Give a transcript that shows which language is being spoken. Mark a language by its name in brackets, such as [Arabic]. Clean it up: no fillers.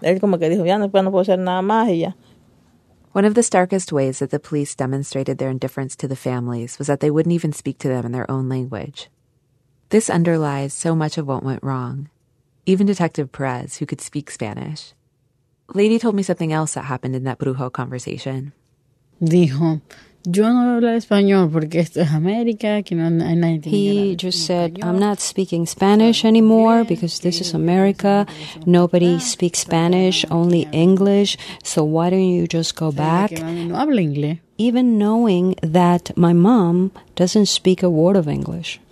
[English] One of the starkest ways that the police demonstrated their indifference to the families was that they wouldn't even speak to them in their own language. This underlies so much of what went wrong. Even Detective Perez, who could speak Spanish. Lady told me something else that happened in that brujo conversation. [Spanish] Dijo, yo no hablo español porque esto es América. Que no, [English] he just said, I'm not speaking Spanish anymore because this is America. Nobody speaks Spanish, only English. So why don't you just go back? [Spanish] No hablo inglés. [English] Even knowing that my mom doesn't speak a word of English.